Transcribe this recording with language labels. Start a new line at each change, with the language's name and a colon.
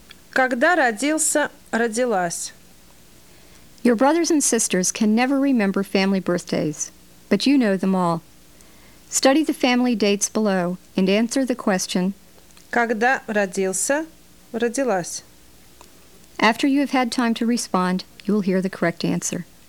Russian: Когда родился, родилась?
English: Your brothers and sisters can never remember family birthdays, but you know them all. Study the family dates below and answer the question,
Russian: Когда родился, родилась?
English: After you have had time to respond, you will hear the correct answer.